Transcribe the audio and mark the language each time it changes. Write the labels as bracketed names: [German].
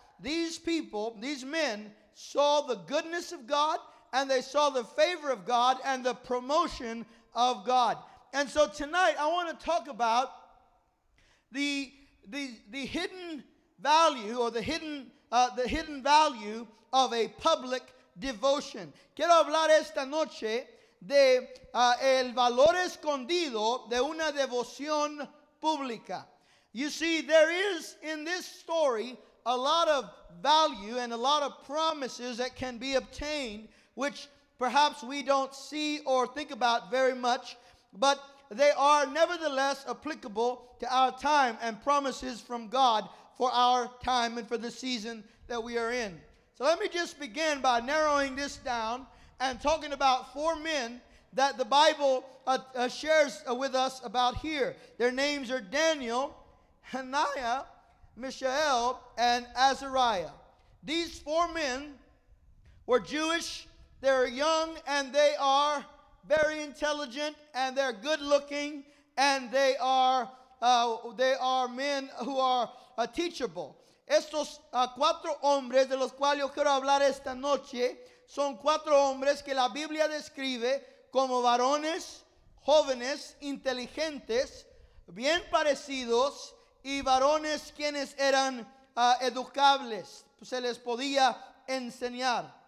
[English] these people, these men, saw the goodness of God, and they saw the favor of God and the promotion of God. And so tonight I want to talk about the hidden value, or the hidden value of a public devotion. [Spanish] Quiero hablar esta noche de el valor escondido de una devoción pública. [English] You see, there is in this story a lot of value and a lot of promises that can be obtained, which perhaps we don't see or think about very much, but they are nevertheless applicable to our time and promises from God for our time and for the season that we are in. So let me just begin by narrowing this down and talking about four men that the Bible shares with us about here. Their names are Daniel, Hananiah, Mishael, and Azariah. These four men were Jewish. They're young and they are very intelligent, and they're good looking, and they are men who are teachable. [Spanish] Estos cuatro hombres de los cuales yo quiero hablar esta noche son cuatro hombres que la Biblia describe como varones, jóvenes, inteligentes, bien parecidos, y varones quienes eran educables, se les podía enseñar.